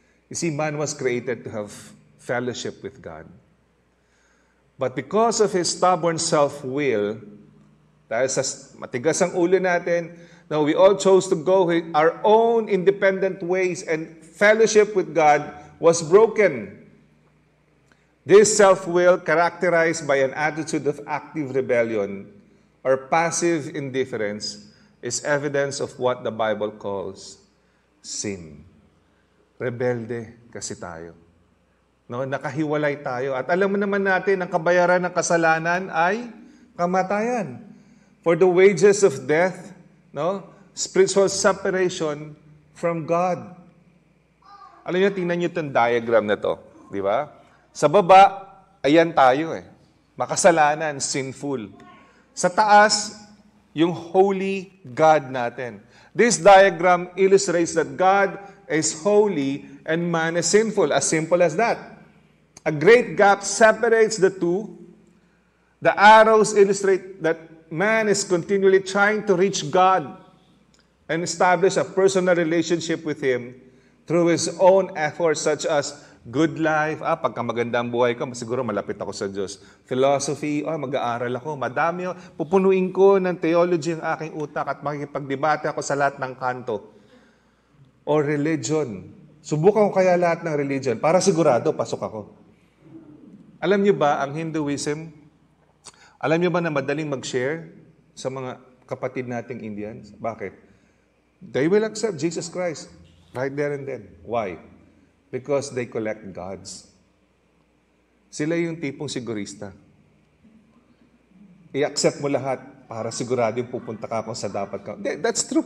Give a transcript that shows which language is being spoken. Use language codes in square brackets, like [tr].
[en] You see, man was created to have fellowship with God. But because of his stubborn self-will, [tl] dahil sa matigas ang ulo natin, [en] now we all chose to go our own independent ways and fellowship with God was broken. This self-will, characterized by an attitude of active rebellion or passive indifference, is evidence of what the Bible calls sin. [tl] Rebelde kasi tayo. No, nakahiwalay tayo. At alam mo naman natin, ang kabayaran ng kasalanan ay kamatayan. [en] For the wages of death, no, spiritual separation from God. [tl] Alam niyo, tingnan niyo itong diagram na to, di ba? Sa baba, ayan tayo eh. Makasalanan, sinful. Sa taas, yung holy God natin. [en] This diagram illustrates that God is holy and man is sinful. As simple as that. A great gap separates the two. The arrows illustrate that man is continually trying to reach God and establish a personal relationship with Him through his own efforts such as good life, [tl] pagka maganda ang buhay ko, siguro malapit ako sa Diyos. Philosophy, mag-aaral ako, madami, pupunuin ko ng theology ang aking utak at makikipagdebate ako sa lahat ng kanto. [en] Or religion. [tl] Subukan ko kaya lahat ng religion para sigurado pasok ako. Alam niyo ba ang Hinduism? Alam niyo ba na madaling mag-share sa mga kapatid nating Indians? Bakit? [en] They will accept Jesus Christ right there and then. Why? Because they collect gods. [tl] Sila yung tipong sigurista. I-accept mo lahat para sigurado yung pupunta ka kung sa dapat ka. [en] That's true.